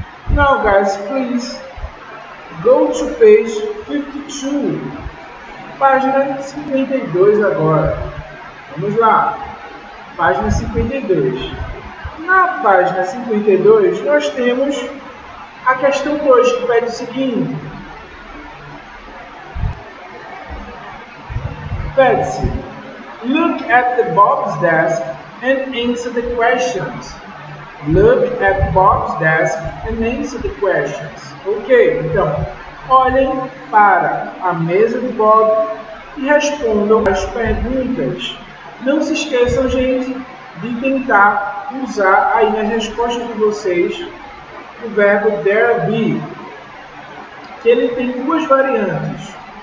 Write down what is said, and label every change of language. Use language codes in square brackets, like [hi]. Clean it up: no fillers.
[en] Now, guys, please go to page 52. [pt] Página 52 agora. Vamos lá. Página 52. Na página 52, nós temos a questão 2 que pede o seguinte. Pede-se, [en] look at the Bob's desk and answer the questions. Look at Bob's desk and answer the questions. [pt] Ok, então, olhem para a mesa do Bob e respondam as perguntas. Não se esqueçam, gente, de tentar usar aí nas respostas de vocês o verbo there be, que ele tem duas variantes.